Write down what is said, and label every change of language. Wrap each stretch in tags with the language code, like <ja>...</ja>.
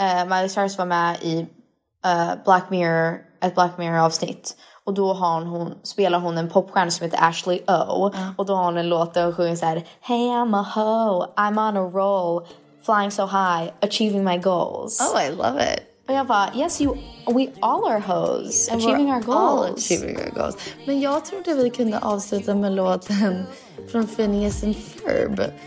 <sv>Miley Cyrus var med i Black Mirror, ett Black Mirror-avsnitt. Och då har hon, spelar hon en popstjärna som heter Ashley O. Och då har hon en låt där hon sjunger såhär,</sv> <en>hey I'm a hoe, I'm on a roll, flying so high, achieving my goals. Oh, I love it.</en> <sv>Och jag bara,</sv> <en>yes, you, we all are hoes, achieving our goals. All achieving our goals.</en> <sv>Men jag trodde vi kunde avsluta med låten från Phineas and Ferb.</sv>